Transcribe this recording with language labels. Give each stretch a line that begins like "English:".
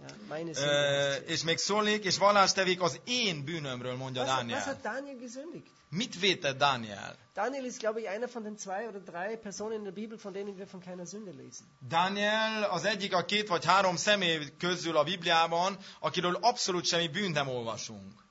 Hungarian: Ja, és még szólik, és vallást tevék az én bűnömről, mondja Daniel.
German: Was hat Daniel gesündigt?
Hungarian: Mit vétett Daniel?
German: Daniel ist, glaube ich, einer von den zwei oder drei Personen in der Bibel, von denen wir von keiner Sünde lesen.
Hungarian: Daniel az egyik a két vagy három személy közül a Bibliában, akiről abszolút semmi bűn nem olvasunk.